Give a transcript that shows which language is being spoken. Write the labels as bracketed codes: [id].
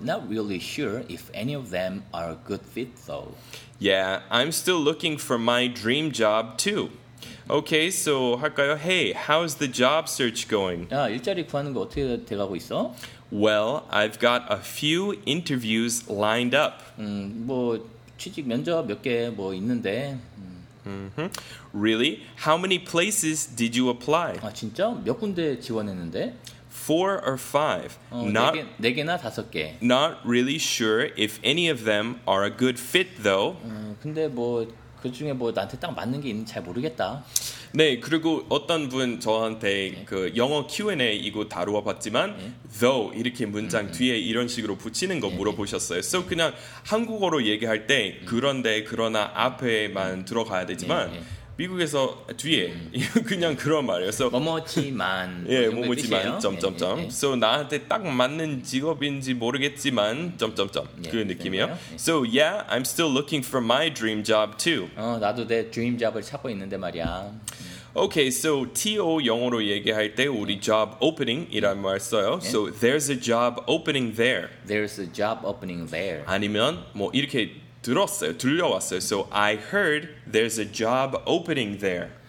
[en] Not really sure if any of them are a good fit, though. Yeah, I'm still looking for my dream job, too. Okay, so [ko] 할까요? [en] Hey, how's the job search going? [ko] 아, 일자리 구하는 거 어떻게 돼가고 있어? [en] Well, I've got a few interviews lined up. [ko] 뭐 취직 면접 몇 개 뭐 있는데. [en] Really? How many places did you apply? [ko] 아, 진짜? 몇 군데 지원했는데? [en] 4 or 5. [ko] 네 개나 다섯 개. [en] Not really sure if any of them are a good fit, though. [ko] 근데 뭐 그 중에 뭐 나한테 딱 맞는 게 있는지 잘 모르겠다. 네, 그리고 어떤 분 저한테 네. 그 영어 Q&A 이거 다루어 봤지만 네. though 이렇게 문장 뒤에 이런 식으로 붙이는 거 네. 물어보셨어요. So 그냥 한국어로 얘기할 때 그런데 그러나 앞에만 들어가야 되지만 네. 네. 미국에서 뒤에 그냥 그런 말이에요. So, 뭐뭐지만 예, 뭐뭐지만 점점점. 네, 네, 네. So 나한테 딱 맞는 직업인지 모르겠지만 점점점 네, 그 느낌이에요. 네. [en] So yeah, I'm still looking for my dream job too. [ko] 나도 내 dream job을 찾고 있는데 말이야. Okay, so TO 영어로 얘기할 때 우리 네. job opening이라는 말 써요. 네. [en] So there's a job opening there. There's a job opening there. [ko] 아니면 뭐 이렇게 들었어요. 들려왔어요. [en] So I heard there's a job opening there.